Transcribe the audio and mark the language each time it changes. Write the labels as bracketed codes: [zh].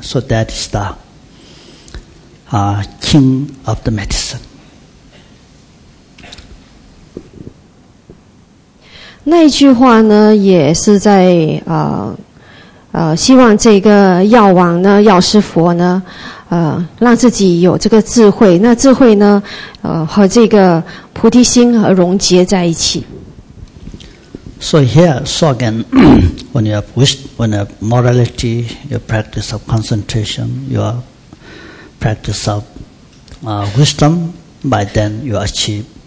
[en] So that is the king of the medicine. [zh] 那一句话呢，也是在希望这个药王呢，药师佛呢，让自己有这个智慧。那智慧呢，和这个菩提心和融结在一起。 [en] So here, so again, when you have wisdom, when you have morality, your practice of concentration, your practice of wisdom, by then you achieve.